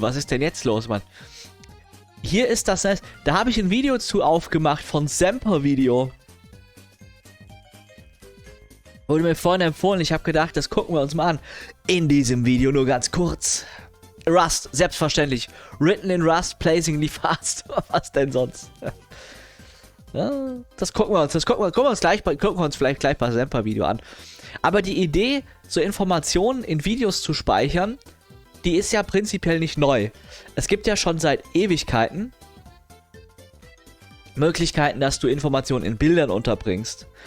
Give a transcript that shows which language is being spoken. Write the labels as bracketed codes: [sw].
[de] Was ist denn jetzt los, Mann? Hier ist das, da habe ich ein Video zu aufgemacht von Semper Video. Wurde mir vorhin empfohlen, ich habe gedacht, das gucken wir uns mal an. In diesem Video nur ganz kurz. Rust, selbstverständlich. [en] Written in Rust, blazingly fast. [de] Was denn sonst? Ja, das gucken wir uns vielleicht gleich bei Semper Video an. Aber die Idee, so Informationen in Videos zu speichern, die ist ja prinzipiell nicht neu. Es gibt ja schon seit Ewigkeiten Möglichkeiten, dass du Informationen in Bildern unterbringst.